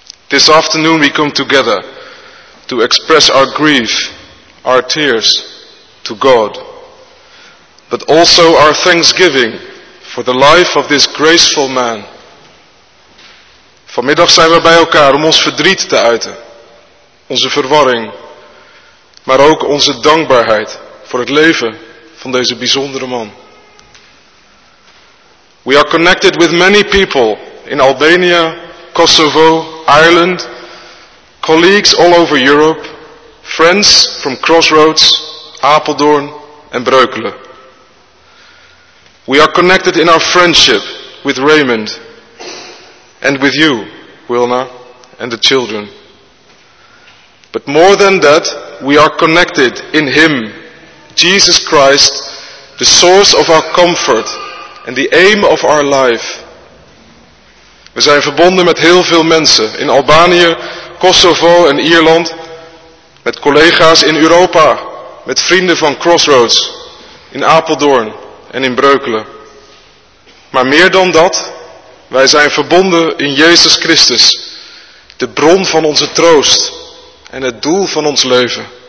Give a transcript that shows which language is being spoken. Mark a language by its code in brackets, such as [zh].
[en] This afternoon we come together to express our grief, our tears to God, but also our thanksgiving for the life of this graceful man. [nl] Vanmiddag zijn we bij elkaar om ons verdriet te uiten, onze verwarring, maar ook onze dankbaarheid voor het leven van deze bijzondere man. [en] We are connected with many people in Albania, Kosovo, Ireland, colleagues all over Europe, friends from Crossroads, Apeldoorn and Breukelen. We are connected in our friendship with Raymond and with you, Wilna, and the children. But more than that, we are connected in him, Jesus Christ, the source of our comfort and the aim of our life. [nl] We zijn verbonden met heel veel mensen in Albanië, Kosovo en Ierland, met collega's in Europa, met vrienden van Crossroads, in Apeldoorn en in Breukelen. Maar meer dan dat, wij zijn verbonden in Jezus Christus, de bron van onze troost en het doel van ons leven.